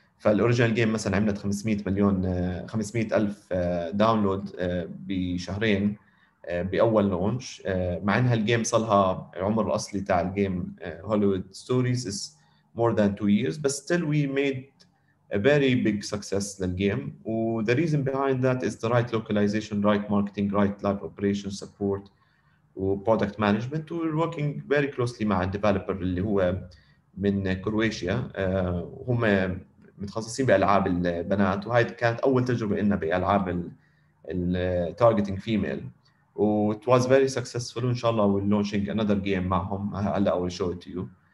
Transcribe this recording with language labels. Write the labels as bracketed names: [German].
[Arabic] فالأوريجينال جيم مثلا عملت 500 ألف داونلود بشهرين بأول لونش, مع انها الجيم صلها العمر الأصلي تاع الجيم هوليوود ستوريز [English] is more than 2 years, but still we made a very big success [Arabic] للجيم. [English] و the reason behind that is the right localization, right marketing, right live operation support و product management. We're working very closely [Arabic] مع developer اللي هو من كرواتيا, هم متخصصين بألعاب البنات, وهاي كانت أول تجربة لنا بألعاب ال [English] targeting female. و it was very successful. [Arabic] إن شاء الله [English] we're launching another game معهم, هلا I will show it to you.